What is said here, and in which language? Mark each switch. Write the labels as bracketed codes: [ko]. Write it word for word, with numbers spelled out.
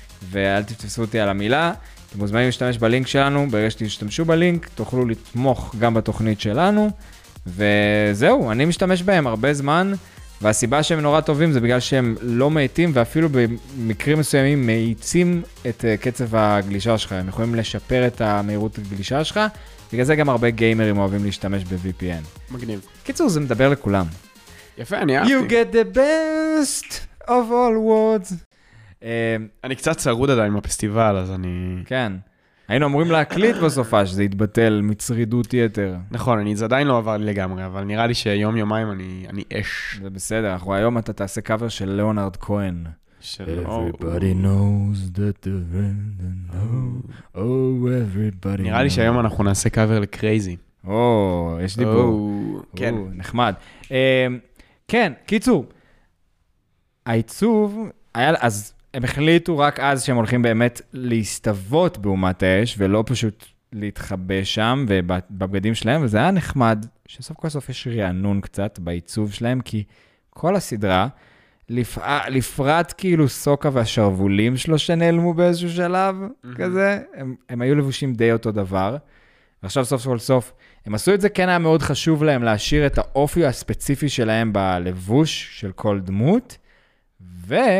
[he] ואל תתפסו אותי על המילה, אתם מוזמנים להשתמש בלינק שלנו, ברגע שתשתמשו בלינק, תוכלו לתמוך גם בתוכנית שלנו, וזהו, אני משתמש בהם הרבה זמן, והסיבה שהם נורא טובים זה בגלל שהם לא מאיטים, ואפילו במקרים מסוימים מאיצים את קצב הגלישה שלך. הם יכולים לשפר את המהירות הגלישה שלך, בגלל זה גם הרבה גיימרים אוהבים להשתמש ב-וי פי אן. מגניב. קיצור, זה מדבר לכולם. יפה, אני אהבתי. [en] You get the best of all words. [he] אני קצת צרוד עדיין מהפסטיבל, אז אני... כן. היינו אמורים להקליט בסופה שזה יתבטל מצרידות יתר. נכון, אני, זה עדיין לא עבר לי לגמרי, אבל נראה לי שיום יומיים אני, אני אש. זה בסדר, אנחנו היום אתה תעשה קאבר של ליאונרד כהן. של... [en] Everybody knows that the... Oh, everybody knows. [he] נראה לי שהיום אנחנו נעשה קאבר לקרייזי. או, יש דיבור. כן. נחמד. כן, קיצור. העיצוב היה... אז... הם החליטו רק אז שהם הולכים באמת להסתוות באומת האש, ולא פשוט להתחבא שם ובבגדים שלהם, וזה היה נחמד, שסוף כל סוף יש רענון קצת בעיצוב שלהם, כי כל הסדרה, לפרט כאילו סוקה והשרבולים שלו שנעלמו באיזשהו שלב, כזה, הם, הם היו לבושים די אותו דבר, ועכשיו סוף כל סוף, הם עשו את זה, כן היה מאוד חשוב להם להשאיר את האופי הספציפי שלהם בלבוש של כל דמות, ו...